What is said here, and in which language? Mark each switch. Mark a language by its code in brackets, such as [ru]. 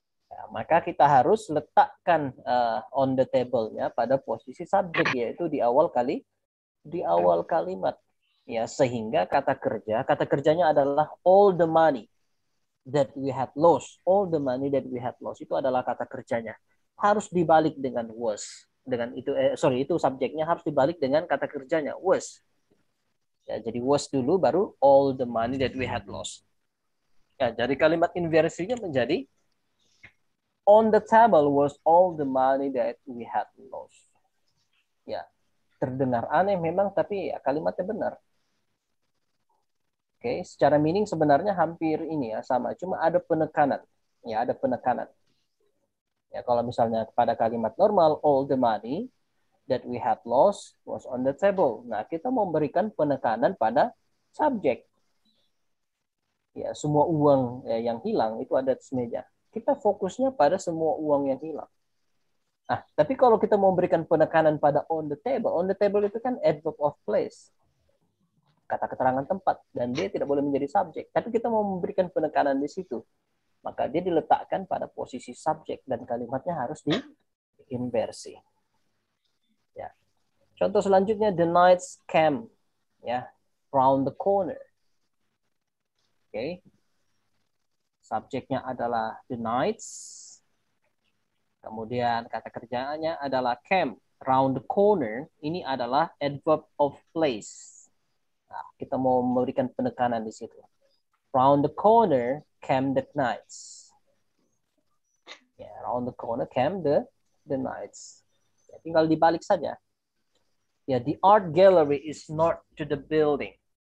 [id] Ya, maka kita harus letakkan on the table-nya pada posisi subjek, yaitu di awal kalimat, ya, sehingga kata kerjanya adalah [en] all the money that we had lost. [id] All the money that we had lost itu adalah kata kerjanya, harus dibalik dengan was, dengan itu sorry itu subjeknya harus dibalik dengan kata kerjanya was, ya, jadi was dulu baru [en] all the money that we had lost. [id] Ya, jadi kalimat inversinya menjadi [en] on the table was all the money that we had lost. [id] Ya, terdengar aneh memang, tapi ya, kalimatnya benar. Oke, secara meaning sebenarnya hampir ini ya sama, cuma ada penekanan. Ya, ada penekanan. Ya, kalau misalnya pada kalimat normal [en] all the money that we had lost was on the table. [id] Nah, kita memberikan penekanan pada subjek. Ya, semua uang ya, yang hilang itu ada di meja. Kita fokusnya pada semua uang yang hilang. Nah, tapi kalau kita mau memberikan penekanan pada on the table itu kan adverb of place. Kata keterangan tempat. Dan dia tidak boleh menjadi subjek. Tapi kita mau memberikan penekanan di situ. Maka dia diletakkan pada posisi subjek. Dan kalimatnya harus diinversi. Ya. Contoh selanjutnya, [en] the night's camp. Ya, round the corner. Oke. Okay. [id] Subjeknya adalah the knights. Kemudian kata kerjanya adalah [en] camp, round the corner. [id] Ini adalah adverb of place. Nah, kita mau memberikan penekanan di situ. [en] Round the corner came the knights. Yeah, round the corner came the knights. [id] Ya, tinggal dibalik saja. [en] Yeah, the art gallery is north to the building.